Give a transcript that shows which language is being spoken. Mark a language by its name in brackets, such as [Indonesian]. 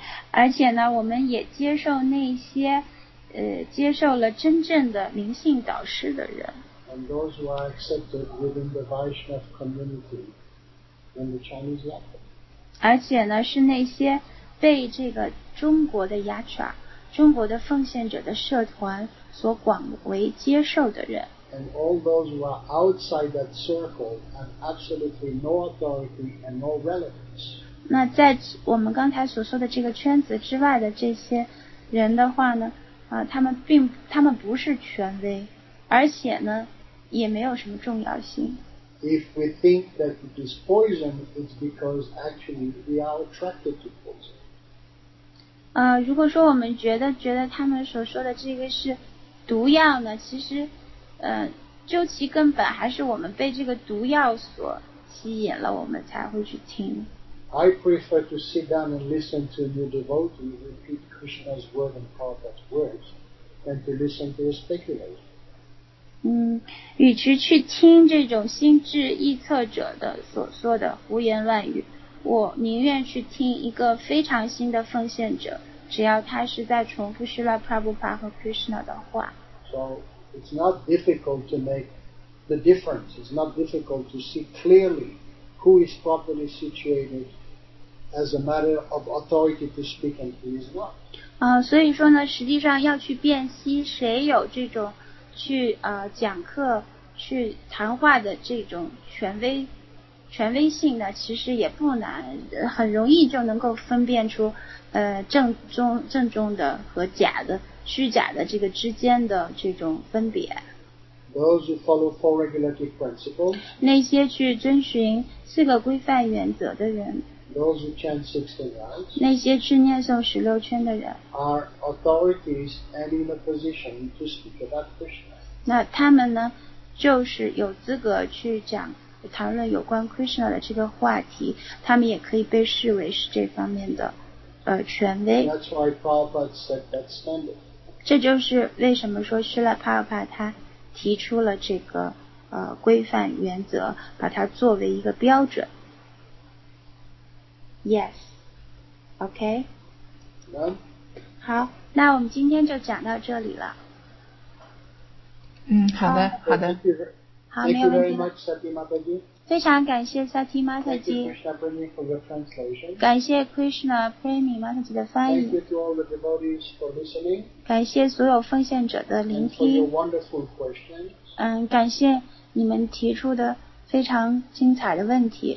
[Chinese] 而且呢，我们也接受那些，接受了真正的灵性导师的人。 [English] And those who are accepted within the Vaishnav community in the Chinese language. [Chinese] 而且呢，是那些被这个中国的 Yatra、中国的奉献者的社团所广为接受的人。 [English] And all those who are outside that circle have absolutely no authority and no relevance. [Chinese] 那在我们刚才所说的这个圈子之外的这些人的话呢？他们不是权威，而且呢，也没有什么重要性。 [English] If we think that it is poison, it's because actually we are attracted to poison. [Chinese] 如果说我们觉得他们所说的这个是毒药呢，其实，究其根本还是我们被这个毒药所吸引了，我们才会去听。 [English] I prefer to sit down and listen to a new devotee repeat Krishna's word and Prabhupada's words than to listen to a speculator. [Chinese] 与其去听这种心智臆测者的所说的胡言乱语，我宁愿去听一个非常新的奉献者，只要他是在重复 Srila Prabhupada 和 Krishna 的话。 [English] So it's not difficult to make the difference. It's not difficult to see clearly. Who is properly situated as a matter of authority to speak and who is not? [Chinese] 所以说呢，实际上要去辨析谁有这种去讲课、去谈话的这种权威性呢，其实也不难，很容易就能够分辨出正宗的和假的、虚假的这个之间的这种分别。 [English] Those who follow four regulative principles. [Chinese] 那些去遵循四个规范原则的人。 [English] Those who chant 16 rounds. [Chinese] 那些去念诵十六圈的人。 [English] Are authorities and in a position to speak about Krishna. [Chinese] 那他们呢，就是有资格去讲谈论有关 Krishna 的这个话题，他们也可以被视为是这方面的权威。 [English] That's why Prabhupada set that standard. [Chinese] 这就是为什么说去了 Prabhupada 他。提出了这个规范原则，把它作为一个标准。 [English] Yes. OK. Done. [Chinese] 好，那我们今天就讲到这里了。好的，好的。好，没有问题。 [English] Thank you very much, Sati Mataji. [Chinese] 非常感谢 Sati Mataji. [English] Thank you, Krishna Premi, for your translation. [Chinese] 感谢 Krishna Premi Mataji 的翻译。 [English] Thank you to all the devotees for listening. [Chinese] 感谢所有奉献者的聆听。 [English] And for your wonderful questions. [Chinese] 感谢你们提出的非常精彩的问题。